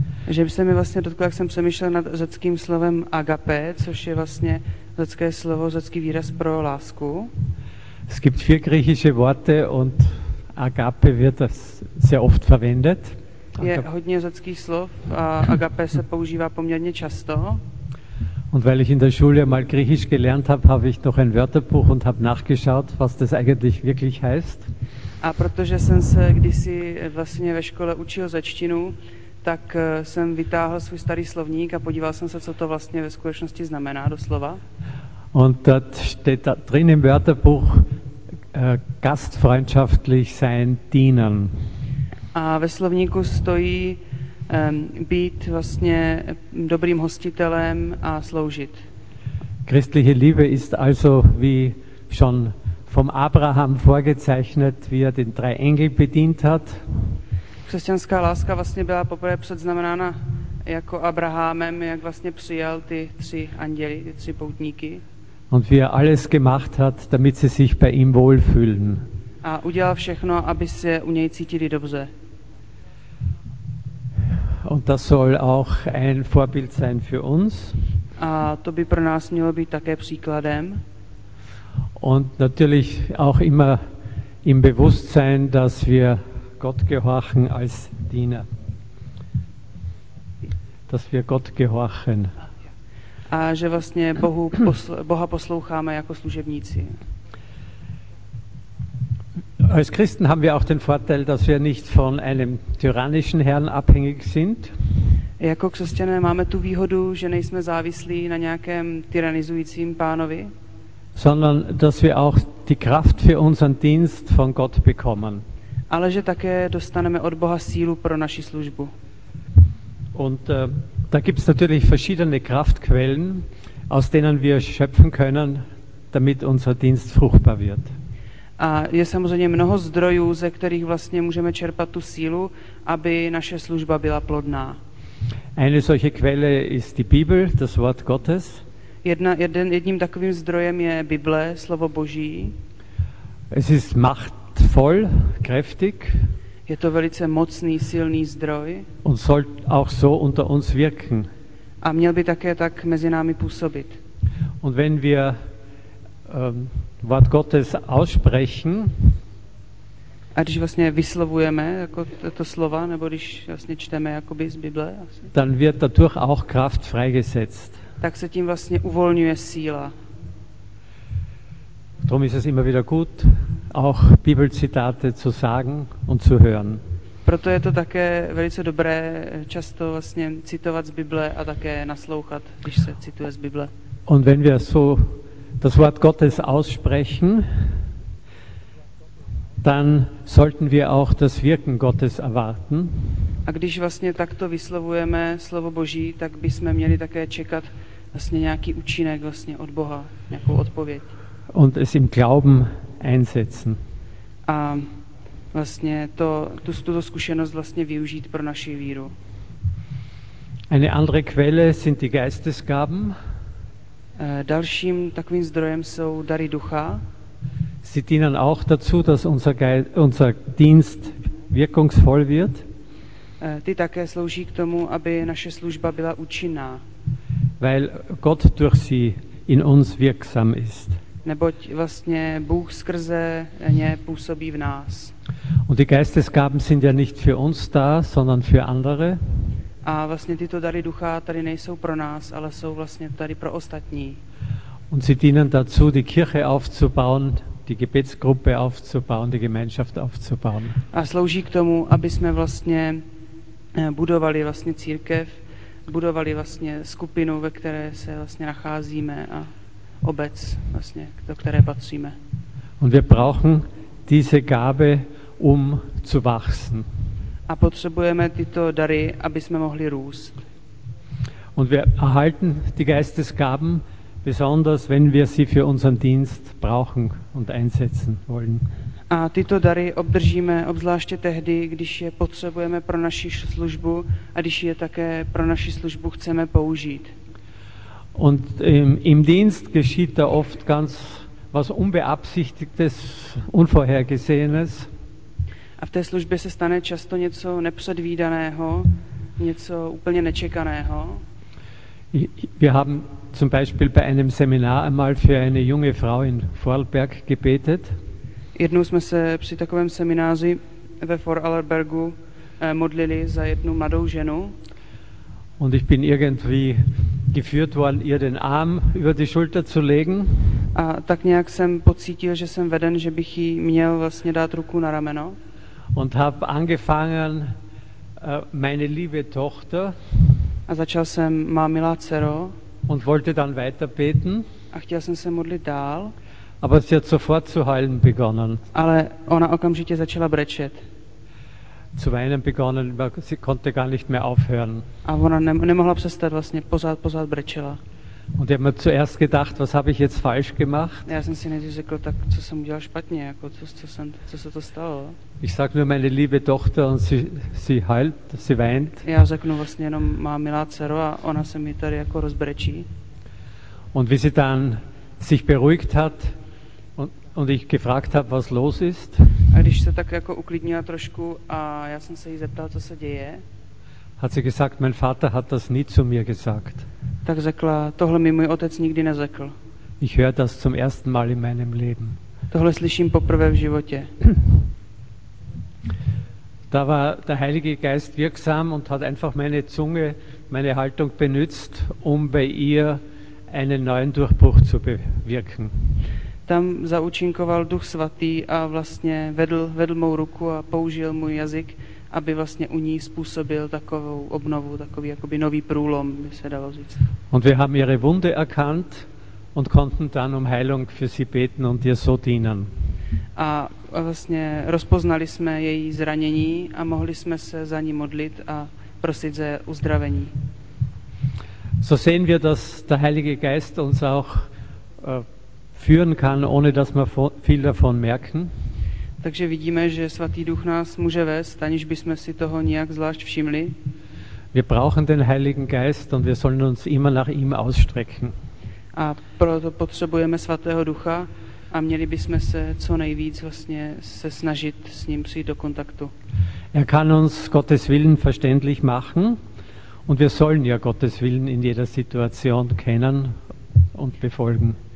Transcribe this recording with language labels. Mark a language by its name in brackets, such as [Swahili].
[Czech] Že by se mi vlastně dotkl, jak jsem přemýšlel nad řeckým slovem agape, což je vlastně řecké slovo, řecký výraz pro lásku. [German] Es gibt vier griechische Worte und agape wird sehr oft verwendet. [Czech] Je hodně řeckých slov a agape se používá poměrně často. [German] Und weil ich in der Schule mal griechisch gelernt habe, habe ich noch ein Wörterbuch und habe nachgeschaut, was das eigentlich wirklich heißt. [Czech] A protože jsem se kdysi vlastně ve škole učil řečtinu, tak jsem vytáhl svůj starý slovník a podíval jsem se, co to vlastně ve skutečnosti znamená doslova. [German] Und dort steht da drin im Wörterbuch gastfreundschaftlich sein, dienen. [Czech] A ve slovníku stojí být vlastně dobrým hostitelem a sloužit. [German] Christliche Liebe ist also wie schon vom Abraham vorgezeichnet, wie er den drei Engel bedient hat. [Czech] Křesťanská láska vlastně byla poprvé předznamenána jako Abrahamem, jak vlastně přijal ty tři anděly, ty tři poutníky. [German] Und wie er alles gemacht hat, damit sie sich bei ihm wohlfühlen. [Czech] A udělal všechno, aby se u něj cítili dobře. [German] Und das soll auch ein Vorbild sein für uns. [Czech] A to by pro nás mělo být také příkladem. [German] Und natürlich auch immer im Bewusstsein, dass wir Gott gehorchen als Diener. Dass wir Gott gehorchen. [Czech] A že vlastně Bohu Boha posloucháme jako služebníci. [German] Als Christen haben wir auch den Vorteil, dass wir nicht von einem tyrannischen Herrn abhängig sind. [Czech] Jako křesťané máme tu výhodu, že nejsme závislí na nějakém tyranizujícím pánovi. [German] Sondern dass wir auch die Kraft für unseren Dienst von Gott bekommen. [Czech] Ale že také dostaneme od Boha sílu pro naši službu. [German] Und da gibt's natürlich verschiedene Kraftquellen, aus denen wir schöpfen können, damit unser Dienst fruchtbar wird. [Czech] A je samozřejmě mnoho zdrojů, ze kterých vlastně můžeme čerpat tu sílu, aby naše služba byla plodná. [German] Eine solche Quelle ist die Bibel, das Wort Gottes. [Czech] Jedním takovým zdrojem je Bible, slovo Boží. [German] Es ist machtvoll, kräftig. [Czech] Je to velice mocný, silný zdroj. [German] Und soll auch so unter uns wirken. [Czech] A měl by také tak mezi námi působit. [German] Und wenn wir Wort Gottes aussprechen. [Czech] A když vlastně vyslovujeme jako to slova, nebo když vlastně čteme jakoby z Bible. [German] Dann wird dadurch auch Kraft freigesetzt. [Czech] Tak se tím vlastně uvolňuje síla. [German] Darum ist es immer wieder gut, auch Bibelzitate zu sagen und zu hören. [Czech] Proto je to také velice dobré často vlastně citovat z Bible a také naslouchat, když se cituje z Bible. [German] Und wenn wir so das Wort Gottes aussprechen, dann sollten wir auch das Wirken Gottes erwarten. [Czech] A když vlastně takto vyslovujeme slovo Boží, tak bychom měli také čekat vlastně nějaký účinek vlastně od Boha, nějakou odpověď. [German] Und es im Glauben einsetzen. [Czech] A vlastně tuto zkušenost vlastně využít pro naši víru. [German] Eine andere Quelle sind die Geistesgaben. [Czech] Dalším takovým zdrojem jsou dary ducha. [German] Sie dienen auch dazu, dass unser Dienst wirkungsvoll wird. [Czech] Ty také slouží k tomu, aby naše služba byla účinná. [German] Weil Gott durch sie in uns wirksam ist. [Czech] Neboť vlastně Bůh skrze ně působí v nás. [German] Und die Geistesgaben sind ja nicht für uns da, sondern für andere. [Czech] A vlastně tyto dary ducha tady nejsou pro nás, ale jsou vlastně tady pro ostatní. [German] Und sie dienen dazu, die Kirche aufzubauen, die Gebetsgruppe aufzubauen, die Gemeinschaft aufzubauen. [Czech] A slouží k tomu, aby jsme vlastně budovali vlastně církev, budovali vlastně skupinu, ve které se vlastně nacházíme a obec vlastně, do které patříme. [German] Und wir brauchen diese Gabe, um zu wachsen. [Czech] A potřebujeme tyto dary, aby jsme mohli růst. [German] Und wir erhalten die Geistesgaben, Besonders wenn wir sie für unseren Dienst brauchen und einsetzen wollen. [Czech] A tyto dary obdržíme obzvláště tehdy, když je potřebujeme pro naši službu a když je také pro naši službu chceme použít. [German] Und im Dienst geschieht da oft ganz was Unbeabsichtigtes, Unvorhergesehenes. [Czech] A v té službě se stane často něco nepředvídaného, něco úplně nečekaného. [German] Wir haben zum Beispiel bei einem Seminar einmal für eine junge Frau in Vorarlberg gebetet. [Czech] Jednou jsme se při takovém semináři ve Vorarlbergu modlili za jednu mladou ženu. [German] Und ich bin irgendwie geführt worden, ihr den Arm über die Schulter zu legen. [Czech] A tak nějak jsem pocítil, že jsem veden, že bych jí měl vlastně dát ruku na rameno. [German] Und hab angefangen, meine liebe Tochter. [Czech] A začal jsem, má milá dcero. [German] Und wollte dann weiter beten. [Czech] A chtěl jsem se modlit dál. [German] Aber sie hat sofort zu heulen begonnen. [Czech] Ale ona okamžitě začala brečet. [German] Zu weinen begonnen, sie konnte gar nicht mehr aufhören. [Czech] A ona nemohla přestat, vlastně pořád brečela. [German] Und ich habe mir zuerst gedacht, was habe ich jetzt falsch gemacht? [Czech] Já jsem si nejdřív řekl, tak co jsem udělal špatně, jako co se to stalo? [German] Ich sag nur meine liebe Tochter und sie heult, sie weint. [Czech] Já řeknu vlastně jenom má milá dcero a ona se mi tady jako rozbrečí. [German] Und wie sie dann sich beruhigt hat und ich gefragt habe, was los ist. [Czech] A když se tak jako uklidnila trošku a já jsem se jí zeptal, co se děje. [German] Hat sie gesagt, mein Vater hat das nie zu mir gesagt. [Czech] Tak řekla, tohle mi můj otec nikdy neřekl. [German] Ich höre das zum ersten Mal in meinem Leben. [Czech] Tohle slyším poprvé v životě. [German] Da war der Heilige Geist wirksam und hat einfach meine Zunge, meine Haltung benutzt, um bei ihr einen neuen Durchbruch zu bewirken. [Czech] Tam zaúčinkoval Duch svatý a vlastně vedl mou ruku a použil můj jazyk, aby vlastně u ní způsobil takovou obnovu, takový jakoby nový průlom, by se dalo říct. [German] Und wir haben ihre Wunde erkannt und konnten dann um Heilung für sie beten und ihr so dienen. [Czech] A vlastně rozpoznali jsme její zranění a mohli jsme se za ní modlit a prosit za uzdravení. [German] So sehen wir, dass der Heilige Geist uns auch führen kann, ohne dass wir viel davon merken. [Czech] Takže vidíme, že svatý Duch nás může vést, aniž bychom si toho nějak zvlášť všimli. [German] Wir brauchen den Heiligen Geist und wir sollen uns immer nach ihm ausstrecken. [Czech] A proto potřebujeme svatého Ducha a měli bychom se co nejvíc vlastně se snažit s ním přijít do kontaktu. [German] Er kann uns Gottes Willen verständlich machen. Und wir sollen ja Gottes Willen in jeder Situation kennen und befolgen.